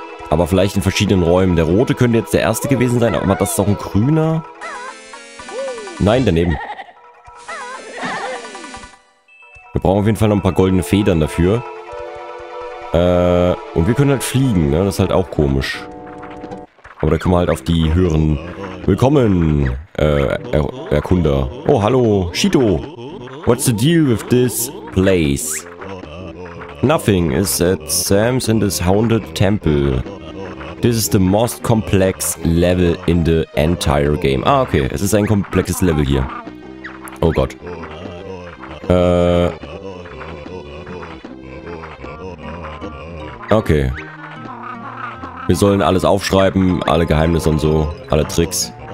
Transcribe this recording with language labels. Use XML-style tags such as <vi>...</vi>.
<de>Aber vielleicht in verschiedenen Räumen. Der rote könnte jetzt der erste gewesen sein, aber das ist doch ein grüner. Nein, daneben. Wir brauchen auf jeden Fall noch ein paar goldene Federn dafür. Und wir können halt fliegen, ne? Das ist halt auch komisch. Aber da können wir halt auf die höheren... Willkommen, Erkunder. Oh, hallo, Shido.</de> <en>What's the deal with this place? Nothing is at Sam's in this haunted temple. This is the most complex level in the entire game. Ah, okay.</en> <de>Es ist ein komplexes Level hier. Oh Gott. Okay. Wir sollen alles aufschreiben, alle Geheimnisse und so, alle Tricks.</de>